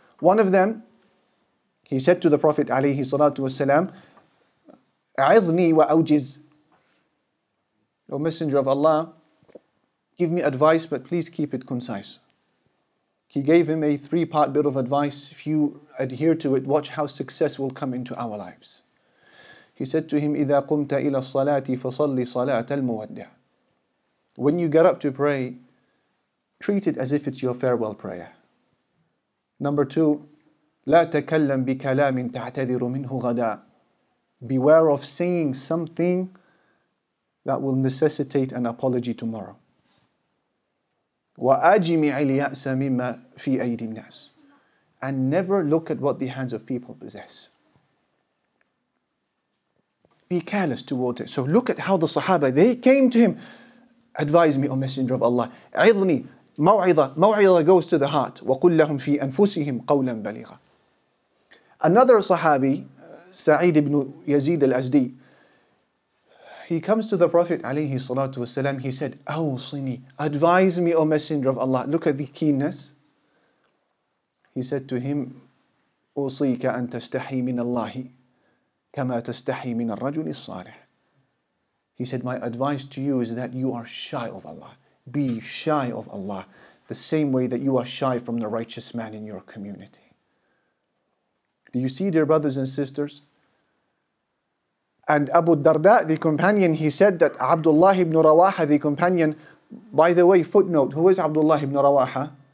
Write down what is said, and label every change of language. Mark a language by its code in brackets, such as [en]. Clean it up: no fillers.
[en] One of them, he said to the Prophet alaihi salatu wasallam, [ar] "A'idhni wa awjiz." [en] O Messenger of Allah, give me advice, but please keep it concise. He gave him a three-part bit of advice. If you adhere to it, watch how success will come into our lives. He said to him, [ar] إِذَا قُمْتَ إِلَى الصَّلَاةِ فَصَلِّ صَلَاةَ الْمُوَدِّعِ. [en] When you get up to pray, treat it as if it's your farewell prayer. Number two, [ar] لَا تَكَلَّمْ بِكَلَامٍ تَعْتَذِرُ مِنْهُ غَدًا. [en] Beware of saying something that will necessitate an apology tomorrow. [ar] وَأَجِمِعِ الْيَأْسَ مِمَّا فِي أَيْدِ النَّاسِ. [en] And never look at what the hands of people possess. Be careless towards it. So look at how the Sahaba, they came to him. Advise me, O Messenger of Allah. [ar] عِظْنِي مَوْعِظَةً. [en] مَوْعِظَةً goes to the heart. [ar] وَقُلْ لَهُمْ فِي أَنفُسِهِمْ قَوْلًا بَلِيغًا. [en] Another Sahabi, Sa'id ibn Yazid al-Azdi, he comes to the Prophet alayhi salatu wasalam, he said, [ar] أَوْصِنِي. [en] Advise me, O Messenger of Allah. Look at the keenness. He said to him, [ar] أُوصِيكَ أَن تَسْتَحِي مِنَ اللَّهِ كَمَا تَسْتَحِي مِنَ الرَّجُلِ الصَّالِحِ. [en] He said, my advice to you is that you are shy of Allah. Be shy of Allah the same way that you are shy from the righteous man in your community. Do you see, dear brothers and sisters? And Abu Darda, the companion, he said that Abdullah ibn Rawaha, the companion, by the way, footnote, who is Abdullah ibn Rawaha?